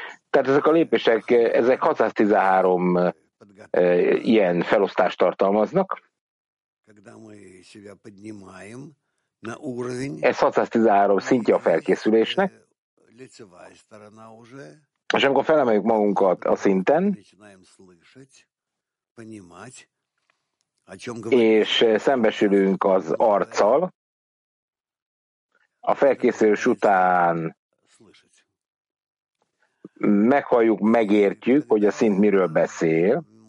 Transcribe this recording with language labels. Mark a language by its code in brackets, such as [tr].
[hu] Tehát ezek a lépések, ezek 613 ilyen felosztást tartalmaznak. [ru] Когда мы себя поднимаем на уровень. [hu] Ez 613 szintje a felkészülésnek. [ru] Лицевая сторона уже. [hu] És amikor felemeljük magunkat a szinten. [ru] Начинаем слышать, понимать, о чём говорим. [hu] És szembesülünk az arccal. A felkészülés után meghalljuk, megértjük, hogy a szint miről beszél.